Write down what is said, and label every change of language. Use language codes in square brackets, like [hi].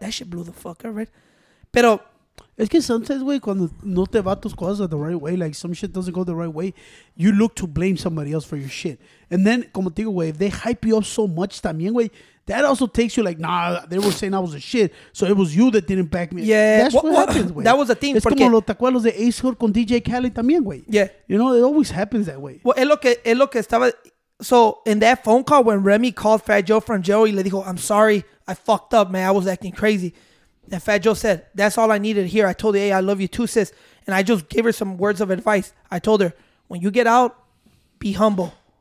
[en] That shit blew the fuck up, right? [es] Pero, es que [en] sometimes, güey, [es] cuando no te va tus cosas [en] the right way, like some shit doesn't go the right way, you look to blame somebody else for your shit. And then, [es] como te digo, [en] güey, if they hype you up so much [es] también, [en] güey, that also takes you like, nah, they were saying I was a shit, so it was you that didn't back me. Yeah. That's what happens, güey. That was a thing. [es] Es porque, como los tacuelos de Ace Hood con DJ Khaled también, güey. [en] Yeah. You know, it always happens that way. [es] Well, es lo que estaba... [en] So, in that phone call when Remy called Fat Joe from jail, he [es] le dijo, [en] I'm sorry, I fucked up, man, I was acting crazy. And Fat Joe said, that's all I needed to hear. I told her, hey, I love you too, sis. And I just gave her some words of advice. I told her, when you get out, be humble.